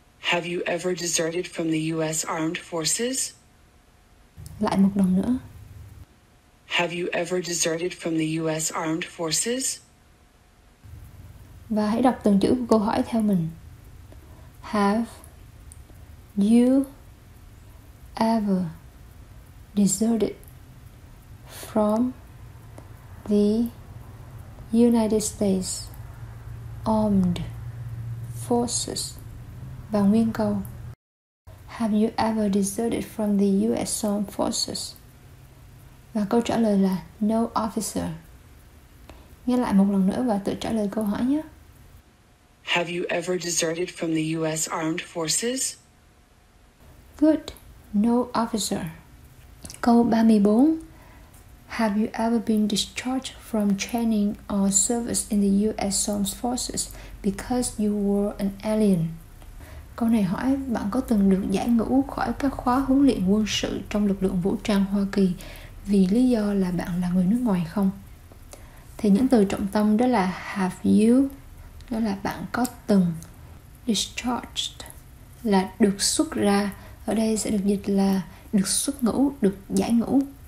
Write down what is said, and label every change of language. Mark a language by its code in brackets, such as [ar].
[en] Have you ever deserted from the U.S. Armed Forces? [vi] Lại một lần nữa. [en] Have you ever deserted from the U.S. Armed Forces? [vi] Và hãy đọc từng chữ của câu hỏi theo mình. [en] Have you ever deserted from the United States Armed Forces? [vi] Và nguyên câu. [en] Have you ever deserted from the U.S. Armed Forces? [vi] Và câu trả lời là [en] no, officer. [vi] Nghe lại một lần nữa và tự trả lời câu hỏi nhé. [en] Have you ever deserted from the U.S. Armed Forces? Good. No, officer. [vi] Câu 34. [en] Have you ever been discharged from training or service in the U.S. Armed Forces because you were an alien? [vi] Câu này hỏi bạn có từng được giải ngũ khỏi các khóa huấn luyện quân sự trong lực lượng vũ trang Hoa Kỳ vì lý do là bạn là người nước ngoài không? Thì những từ trọng tâm đó là have you, đó là bạn có từng, discharged là được xuất ra, ở đây sẽ được dịch là được xuất ngũ, được giải ngũ.